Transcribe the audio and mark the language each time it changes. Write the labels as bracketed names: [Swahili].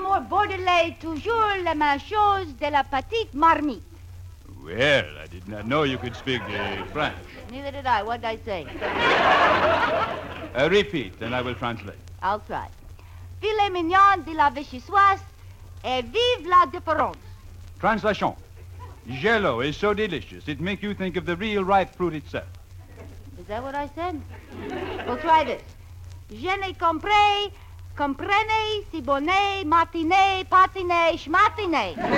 [French] Bordelais, toujours la même chose de la petite marmite. [English] Well, I did not know you could speak French. Neither did I. What did I say? Repeat, and I will translate. I'll try. [French] Filet mignon de la vie suisse et vive la différence. [English] Translation. Jello is so delicious, it makes you think of the real ripe fruit itself. Is that what I said? We'll try this. [French] Je n'ai compris... Comprenez, si bonnet, matinee, patinee, schmatinee.